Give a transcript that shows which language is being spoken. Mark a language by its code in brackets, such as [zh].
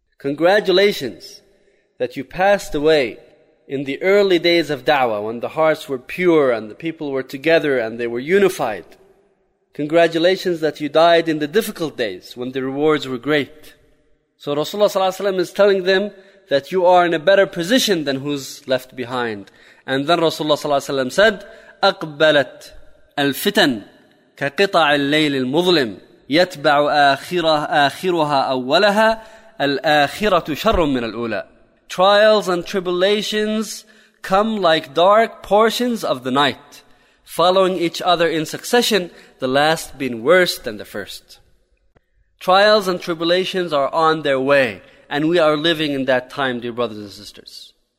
[en] Congratulations that you passed away in the early days of da'wah, when the hearts were pure and the people were together and they were unified. Congratulations that you died in the difficult days when the rewards were great. So Rasulullah ﷺ is telling them that you are in a better position than who's left behind. And then Rasulullah ﷺ said, [ar] "أقبلت الفتن كقطع الليل المظلم يتبع آخرها أولها الآخرة شر من الأولى." [en] Trials and tribulations come like dark portions of the night, following each other in succession, the last being worse than the first. Trials and tribulations are on their way, and we are living in that time, dear brothers and sisters.